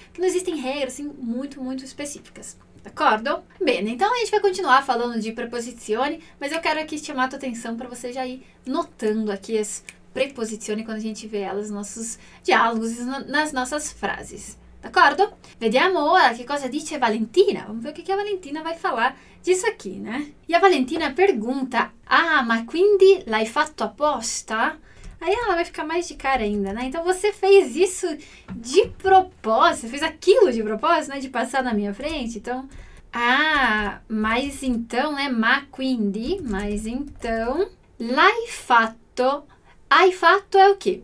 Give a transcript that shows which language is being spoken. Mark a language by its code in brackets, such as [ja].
[pt] Porque não existem regras assim, muito, muito específicas. [it] D'accordo? [pt] Bene, então a gente vai continuar falando de preposizioni, mas eu quero aqui chamar a tua atenção para você já ir notando aqui as preposizioni quando a gente vê elas nos nossos diálogos e nas nossas frases. [it] D'accordo? Vediamo ora che cosa dice Valentina. [pt] Vamos ver o che Valentina vai falar disso aqui, né? E a Valentina pergunta, [it] ah, ma quindi l'hai fatto apposta? [pt] Aí ela vai ficar mais de cara ainda, né? Então você fez isso de propósito, fez aquilo de propósito, né? De passar na minha frente, então... Ah, mas então, né? [it] Ma quindi, [pt] mas então... [it] L'hai fatto... Hai fatto [pt] é o quê?